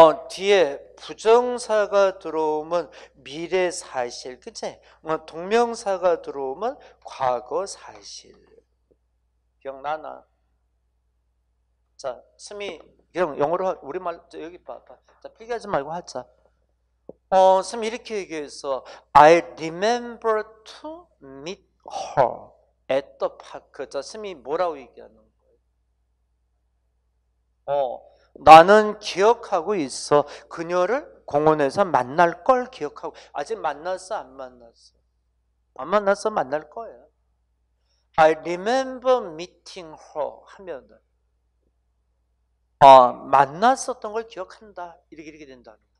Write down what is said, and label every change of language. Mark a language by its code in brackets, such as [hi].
[ko] 뒤에 부정사가 들어오면 미래 사실, 그치? 동명사가 들어오면 과거 사실. 기억나나? 자, 스미, 그냥 영어로, 우리말, 여기 봐봐. 자, 필기하지 말고 하자. 선생님 이렇게 얘기했어. [en] I remember to meet her at the park. [ko] 자, 선생님이 뭐라고 얘기하는 거예요? 나는 기억하고 있어. 그녀를 공원에서 만날 걸 기억하고. 아직 만났어? 안 만났어? 안 만났어? 만날 거예요. [en] I remember meeting her [ko] 하면은 만났었던 걸 기억한다. 이렇게 된다.